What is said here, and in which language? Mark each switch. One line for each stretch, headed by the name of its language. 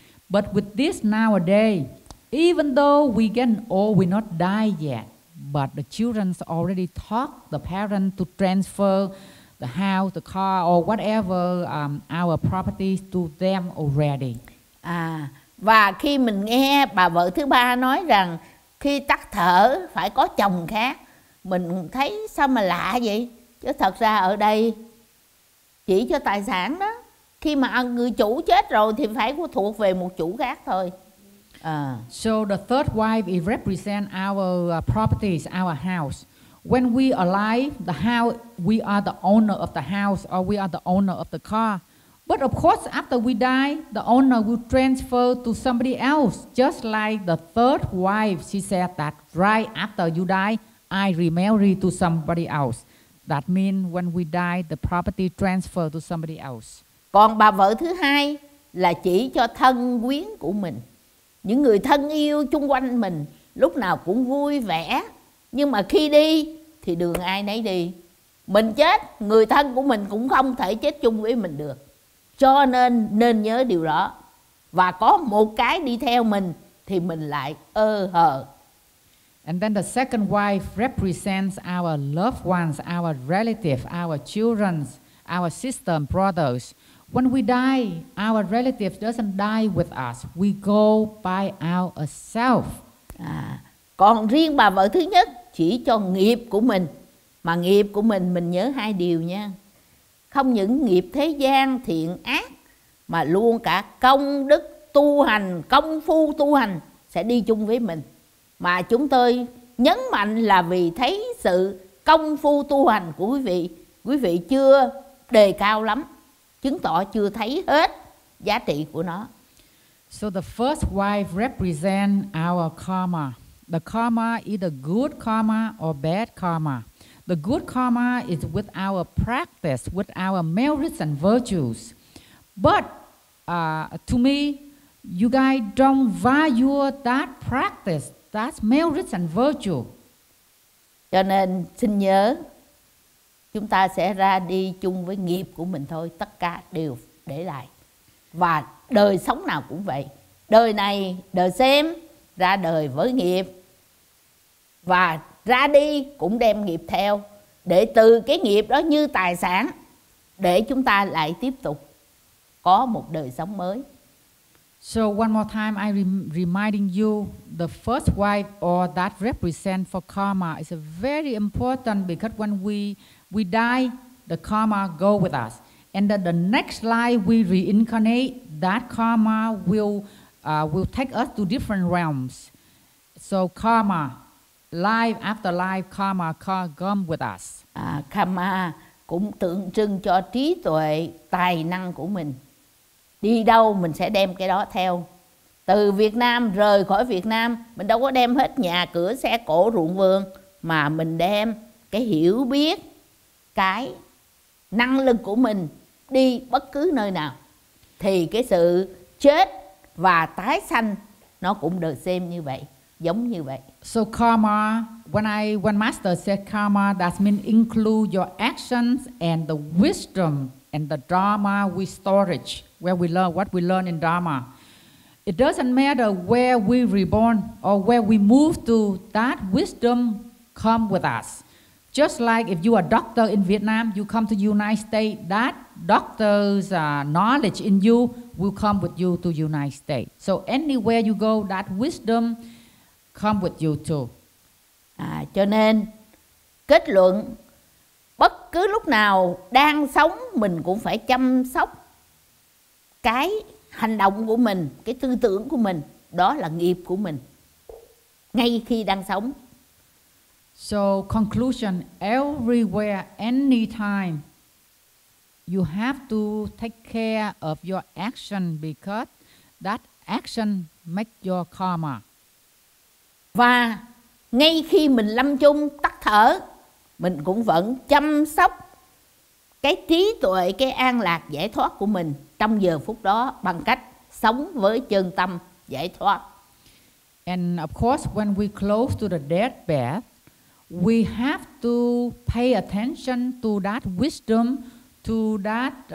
English: But with this nowadays, even though we get old, we not die yet. But the children already talk the parents to transfer the house, the car, or whatever our properties to them already.
Vietnamese: À, và khi mình nghe bà vợ thứ ba nói rằng khi tắt thở phải có chồng khác, mình thấy sao mà lạ vậy? Chứ thật ra ở đây chỉ cho tài sản đó. Khi mà người chủ chết rồi thì phải có thuộc về một chủ khác thôi.
English: So the third wife it represent our properties, our house. When we alive, the house, we are the owner of the house or we are the owner of the car. But of course, after we die, the owner will transfer to somebody else. Just like the third wife, she said that right after you die, I remarry to somebody else. That means when we die, the property transfer to somebody else.
Vietnamese: Còn bà vợ thứ hai là chỉ cho thân quyến của mình, những người thân yêu chung quanh mình lúc nào cũng vui vẻ. Nhưng mà khi đi thì đường ai nấy đi. Mình chết, người thân của mình cũng không thể chết chung với mình được. Cho nên nên nhớ điều đó. Và có một cái đi theo mình thì mình lại ơ hờ.
English: And then the second wife represents our loved ones, our relatives, our children, our sister and brothers. When we die, our relative doesn't die with us. We go by ourselves.
Vietnamese: À, còn riêng bà vợ thứ nhất chỉ cho nghiệp của mình. Mà nghiệp của mình nhớ hai điều nha. Không những nghiệp thế gian thiện ác, mà luôn cả công đức tu hành, công phu tu hành sẽ đi chung với mình. Mà chúng tôi nhấn mạnh là vì thấy sự công phu tu hành của quý vị, quý vị chưa đề cao lắm, chứng tỏ chưa thấy hết giá trị của nó.
English: So the first wife represent our karma. The karma either good karma or bad karma. The good karma is with our practice, with our merits and virtues. But to me, you guys don't value that practice, that merits and virtue.
Vietnamese: Cho nên xin nhớ, chúng ta sẽ ra đi chung với nghiệp của mình thôi, tất cả đều để lại. Và đời sống nào cũng vậy. Đời này, đời xem, ra đời với nghiệp. Và ra đi cũng đem nghiệp theo. Để từ cái nghiệp đó như tài sản, để chúng ta lại tiếp tục có một đời sống mới.
English: So one more time, I reminding you, the first wife or that represent for karma is very important because when we die, the karma go with us. And the next life we reincarnate, that karma will take us to different realms. So karma, life after life, karma come with us.
Vietnamese: Karma cũng tượng trưng cho trí tuệ, tài năng của mình. Đi đâu mình sẽ đem cái đó theo. Từ Việt Nam, rời khỏi Việt Nam, mình đâu có đem hết nhà, cửa, xe, cổ, ruộng, vườn, mà mình đem cái hiểu biết, cái năng lực của mình đi bất cứ nơi nào. Thì cái sự chết và tái sanh nó cũng được xem như vậy, giống như vậy.
English: So karma, when Master said karma, that means include your actions and the wisdom and the dharma we storage, where we learn, what we learn in dharma. It doesn't matter where we reborn or where we move to, that wisdom come with us. Just like if you are a doctor in Vietnam, you come to United States, that doctor's knowledge in you will come with you to United States. So anywhere you go, that wisdom come with you too.
Vietnamese: Cho nên kết luận, bất cứ lúc nào đang sống mình cũng phải chăm sóc cái hành động của mình, cái tư tưởng của mình, đó là nghiệp của mình ngay khi đang sống.
English: So conclusion, everywhere, anytime, you have to take care of your action because that action makes your karma.
Vietnamese: Và ngay khi mình lâm chung tắt thở, mình cũng vẫn chăm sóc cái trí tuệ, cái an lạc giải thoát của mình trong giờ phút đó bằng cách sống với chân tâm giải thoát.
English: And of course, when we close to the deathbed, we have to pay attention to that wisdom, to that